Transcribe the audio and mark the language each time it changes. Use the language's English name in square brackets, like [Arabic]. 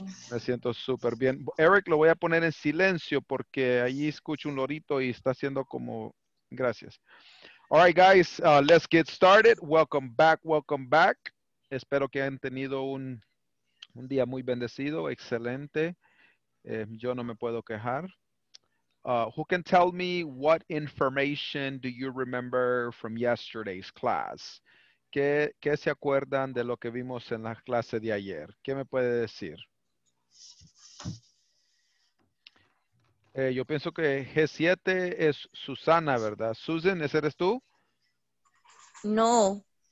[Spanish] Me siento súper bien. Eric, lo voy a poner en silencio, porque allí escucho un lorito y está haciendo como, gracias. [English] All right, guys, let's get started. Welcome back, welcome back. [Spanish] Espero que hayan tenido un día muy bendecido, excelente. Yo no me puedo quejar. [English] Who can tell me what information do you remember from yesterday's class? [Spanish] ¿Qué se acuerdan de lo que vimos en la clase de ayer? ¿Qué me puede decir? Yo pienso que G7 es Susana, ¿verdad? Susan, ¿ese eres tú? No.